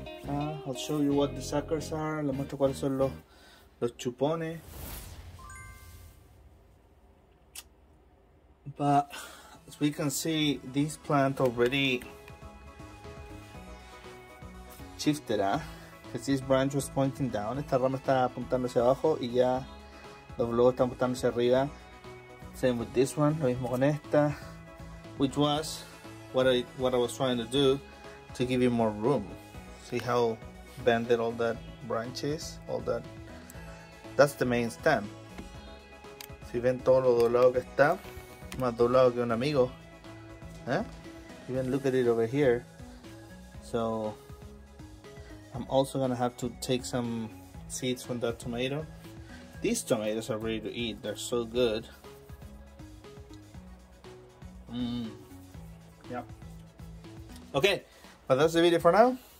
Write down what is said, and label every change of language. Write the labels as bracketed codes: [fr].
[en] I'll show you what the suckers are. [es] Les muestro cuáles son los chupones. [en] But as we can see, this plant already shifted, because this branch was pointing down. [es] Esta rama está apuntando hacia abajo y ya los globos están apuntando hacia arriba. [en] Same with this one. [es] Lo mismo con esta. [en] Which was what I was trying to do to give you more room. See how bended all that branches, all that. That's the main stem. [es] Si ven todo lo doblado que está, más doblado que un amigo. [en] Eh? Even look at it over here. So I'm also gonna have to take some seeds from that tomato. These tomatoes are ready to eat. They're so good. Yeah. Okay, but that's the video for now.